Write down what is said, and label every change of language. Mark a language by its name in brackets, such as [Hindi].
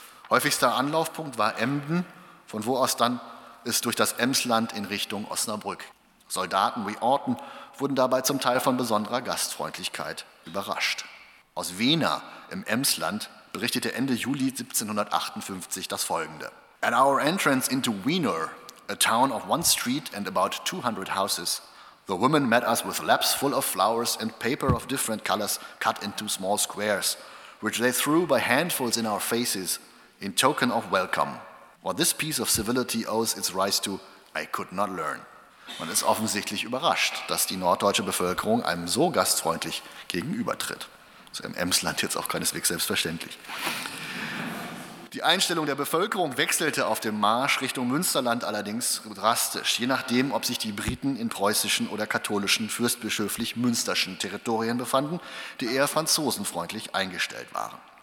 [German] Häufigster Anlaufpunkt war Emden, von wo aus dann es durch das Emsland in Richtung Osnabrück. Soldaten wie Orton wurden dabei zum Teil von besonderer Gastfreundlichkeit überrascht. Aus Wena im Emsland berichtete Ende Juli 1758 das Folgende. [English] At our entrance into Wener, a town of one street and about 200 houses, the women met us with laps full of flowers and paper of different colors cut into small squares, which they threw by handfuls in our faces in token of welcome. What this piece of civility owes its rise to, I could not learn. [German] Man ist offensichtlich überrascht, dass die norddeutsche Bevölkerung einem so gastfreundlich gegenübertritt. Das ist im Emsland jetzt auch keineswegs selbstverständlich. Die Einstellung der Bevölkerung wechselte auf dem Marsch Richtung Münsterland allerdings drastisch, je nachdem, ob sich die Briten in preußischen oder katholischen, fürstbischöflich münsterschen Territorien befanden, die eher franzosenfreundlich eingestellt waren.